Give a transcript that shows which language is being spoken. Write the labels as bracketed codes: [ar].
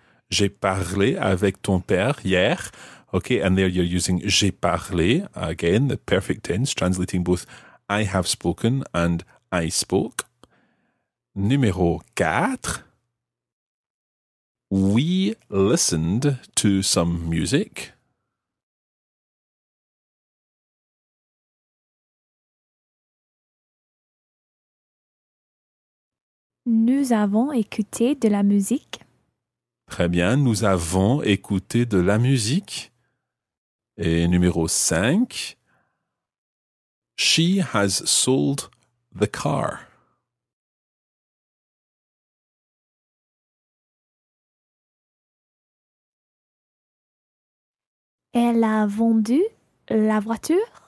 [fr] J'ai parlé avec ton père hier. [en] Okay, and there you're using [fr] j'ai parlé, [en] again, the perfect tense, translating both I have spoken and I spoke. [fr] Numéro 4. [en] We listened to some music. [fr] Nous avons écouté de la musique. Très bien, nous avons écouté de la musique. Et numéro 5, [en] she has sold the car. [fr] Elle a vendu la voiture.